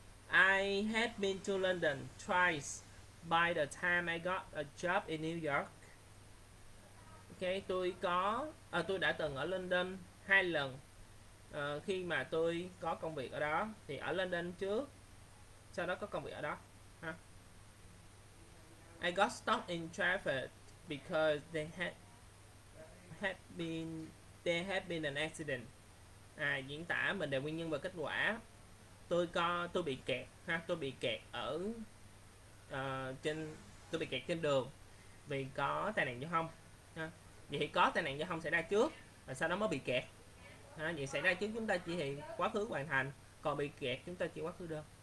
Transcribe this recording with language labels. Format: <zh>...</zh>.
<en>I had been to London twice by the time I got a job in New York.</en> <vi>Ok, tôi đã từng ở London 2 lần. Khi mà tôi có công việc ở đó, thì ở London trước, sau đó có công việc ở đó. Huh?</vi> <en>I got stuck in traffic because there had been an accident.</en> <vi>À, diễn tả mình đề nguyên nhân và kết quả. Tôi bị kẹt ha, tôi bị kẹt ở trên tôi bị kẹt trên đường vì có tai nạn giao thông. Ha? Vậy có tai nạn giao thông xảy ra trước và sau đó mới bị kẹt. Ha? Vậy xảy ra trước chúng ta chỉ thị quá khứ hoàn thành, còn bị kẹt chúng ta chỉ quá khứ đơn.</vi>